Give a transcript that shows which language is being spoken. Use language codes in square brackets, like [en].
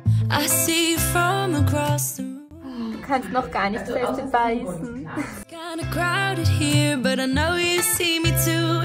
[en] I see from across the room. [de] Du kannst noch gar nicht fest beißen. [en] Kind of crowded here, but I know you see me too.